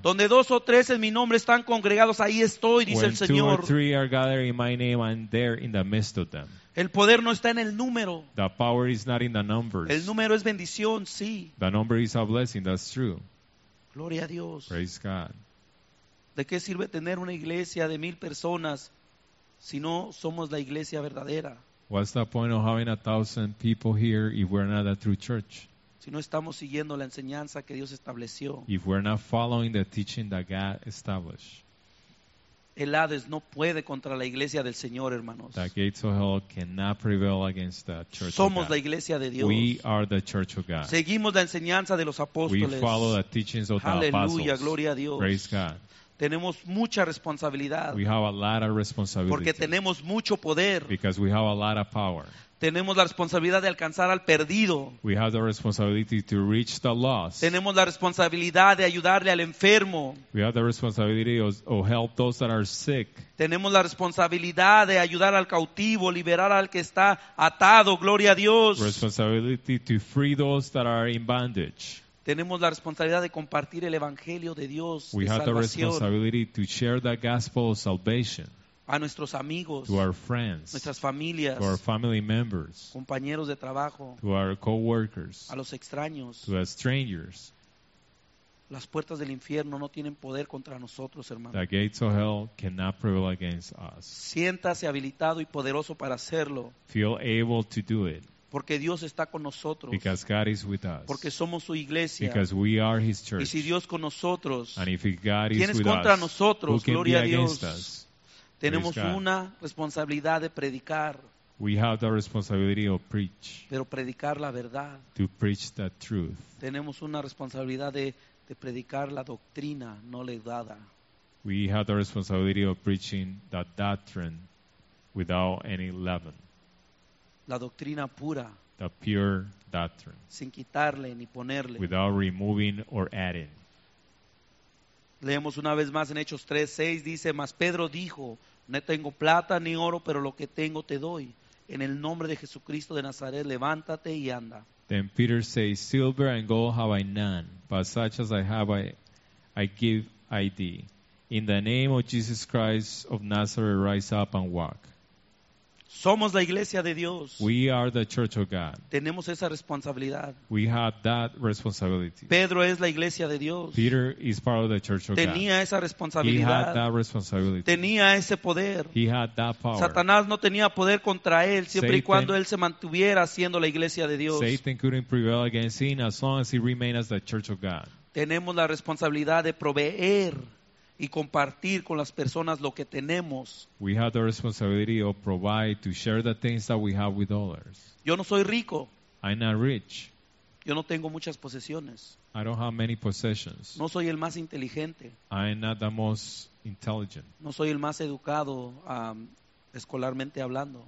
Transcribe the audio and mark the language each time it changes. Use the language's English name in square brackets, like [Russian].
[Spanish] Donde [English] 2 or 3 [Spanish] en mi nombre están congregados, ahí estoy, dice el Señor. [English] When 2 or 3 are gathered in my name, I'm there in the midst of them. [Spanish] El poder no está en el número. [English] The power is not in the numbers. [Spanish] El número es bendición, sí. [English] The number is a blessing, that's true. [Spanish] Gloria a Dios. [English] Praise God. [Spanish] ¿De qué sirve tener una iglesia de 1,000 personas si no somos la iglesia verdadera? [English] What's the point of having 1,000 people here if we're not a true church? [Spanish] Si no estamos siguiendo la enseñanza que Dios estableció. [English] If we're not following the teaching that God established. [Spanish] El Hades no puede contra la iglesia del Señor, hermanos. [English] The gates of hell cannot prevail against the church of God. [Spanish] Somos la iglesia de Dios. [English] We are the church of God. [Spanish] Seguimos la enseñanza de los apóstoles. [English] We follow the teachings of the apostles. [Spanish] Aleluya, gloria a Dios. [English] Praise God. [Spanish] Tenemos mucha responsabilidad. [English] We have a lot of responsibility. [Spanish] Porque tenemos mucho poder. [English] Because we have a lot of power. [Spanish] Tenemos la responsabilidad de alcanzar al perdido. [English] We have the responsibility to reach the lost. [Spanish] Tenemos la responsabilidad de ayudarle al enfermo. [English] We have the responsibility to help those that are sick. [Spanish] Tenemos la responsabilidad de ayudar al cautivo, liberar al que está atado, gloria a Dios. [English] Responsibility to free those that are in bondage. [Spanish] Tenemos la responsabilidad de compartir el evangelio de Dios, [English] we [Spanish] de [English] have [Spanish] salvación. [English] The responsibility to share the gospel of salvation. [Spanish] A nuestros amigos, [English] to our friends, [Spanish] nuestras familias, [English] to our family members, [Spanish] compañeros de trabajo, [English] to our co-workers, [Spanish] a los extraños, [English] to our strangers. [Spanish] Las puertas del infierno no tienen poder contra nosotros, hermano. [English] The gates of hell cannot prevail against us. [Spanish] Siéntase habilitado y poderoso para hacerlo. [English] Feel able to do it. [Spanish] Porque Dios está con nosotros. [English] Because God is with us. [Spanish] Porque somos su iglesia. [English] Because we are his church. [Spanish] Y si Dios con nosotros, [English] and if God [Spanish] ¿quién [English] is [Spanish] es contra [English] us, [Spanish] nosotros? Gloria a Dios. [English] Us? [Spanish] Tenemos una responsabilidad de predicar. [English] We have the responsibility of preach. [Spanish] Pero predicar la verdad. [English] To preach the truth. [Spanish] Tenemos una responsabilidad de predicar la doctrina no leudada. [English] We have the responsibility of preaching the doctrine without any leaven. [Spanish] La doctrina pura. [English] The pure doctrine. [Spanish] Sin quitarle ni ponerle. [English] Without removing or adding. [Spanish] Leemos una vez más en Hechos 3:6, dice, mas Pedro dijo, no tengo plata ni oro, pero lo que tengo te doy. En el nombre de Jesucristo de Nazaret, levántate y anda. [English] Then Peter says, silver and gold have I none, but such as I have I give I thee. In the name of Jesus Christ of Nazareth, rise up and walk. [Spanish] Somos la iglesia de Dios. [English] We are the church of God. [Spanish] Tenemos esa responsabilidad. [English] We have that responsibility. [Spanish] Pedro es la iglesia de Dios. [English] Peter is part of the church of [Spanish] tenía [English] God. [Spanish] Tenía esa responsabilidad. [English] He had that responsibility. [Spanish] Tenía ese poder. [English] He had that power. [Spanish] Satanás no tenía poder contra él siempre [English] Satan, [Spanish] y cuando él se mantuviera siendo la iglesia de Dios. [English] Satan couldn't prevail against him as long as he remained as the church of God. [Spanish] Tenemos la responsabilidad de proveer y compartir con las personas lo que tenemos. [English] We have the responsibility of provide to share the things that we have with others. [Spanish] Yo no soy rico. [English] I'm not rich. [Spanish] Yo no tengo muchas posesiones. [English] I don't have many possessions. [Spanish] No soy el más inteligente. [English] I'm not the most intelligent. [Spanish] No soy el más educado, escolarmente hablando.